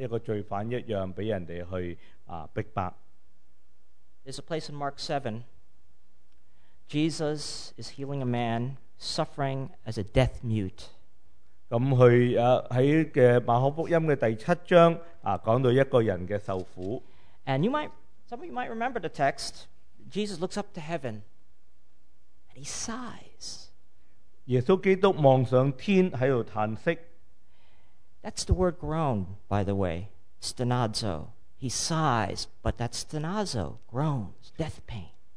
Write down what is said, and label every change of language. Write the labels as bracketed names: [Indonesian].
[Cantonese] 就好像罪人一样，一个罪犯一样，被人哋去逼迫。 [English] There's a place in Mark 7. Jesus is healing a man suffering as a deaf mute. [Cantonese] 咁佢喺嘅马可福音嘅第七章讲到一个人嘅受苦。 [English] And some of you might remember the text. Jesus looks up to heaven and he sighs. [Cantonese] 耶稣基督望上天喺度叹息。 [English] That's the word groan, by the way. Stenazo. He sighs, but that stenazo groans, death pain.